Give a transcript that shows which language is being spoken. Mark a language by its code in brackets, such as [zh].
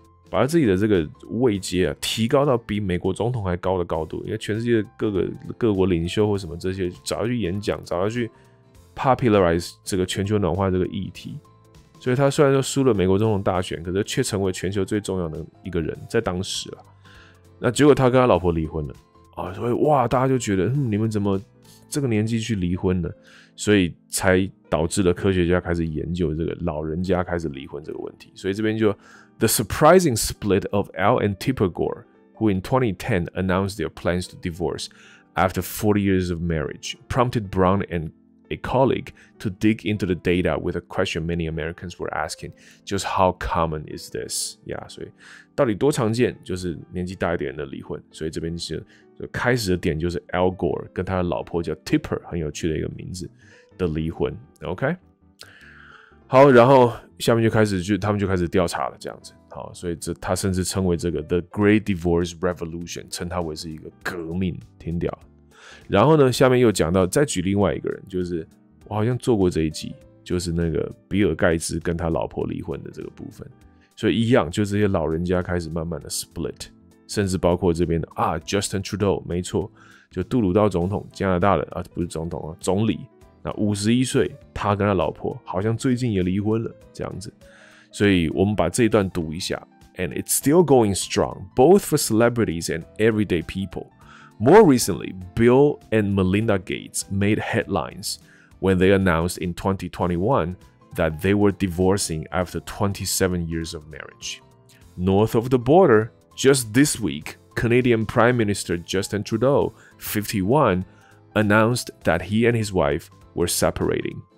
[zh] 把他自己的这个位阶啊提高到比美国总统还高的高度，因为全世界各国领袖或什么这些找他去演讲，找他去 popularize 这个全球暖化这个议题，所以他虽然说输了美国总统大选，可是却成为全球最重要的一个人，在当时啊，那结果他跟他老婆离婚了啊，所以哇，大家就觉得你们怎么这个年纪去离婚呢？所以才导致了科学家开始研究这个老人家开始离婚这个问题，所以这边就。 [en] The surprising split of Al and Tipper Gore, who in 2010 announced their plans to divorce after 40 years of marriage, prompted Brown and a colleague to dig into the data with a question many Americans were asking, just how common is this? [zh] Yeah, 所以到底多常见？就是年纪大一点人的离婚。所以这边是开始的点，就是 Al Gore 跟他的老婆叫 Tipper， 很有趣的一个名字的离婚。OK。好，然后下面就开始就他们就开始调查了，这样子。好，所以这他甚至称为这个 [en] The Great Divorce Revolution， [zh] 称它为是一个革命，听掉。然后呢，下面又讲到再举另外一个人，就是我好像做过这一集，就是那个比尔盖茨跟他老婆离婚的这个部分。所以一样，就这些老人家开始慢慢的 split， 甚至包括这边的啊 Justin Trudeau， 没错，就杜鲁道总统，加拿大的啊不是总统啊总理。那51岁，他跟他老婆好像最近也离婚了，这样子。所以我们把这一段读一下。 [en] And it's still going strong, both for celebrities and everyday people. More recently, Bill and Melinda Gates made headlines when they announced in 2021 that they were divorcing after 27 years of marriage. North of the border, just this week, Canadian Prime Minister Justin Trudeau, 51, announced that he and his wife were separating.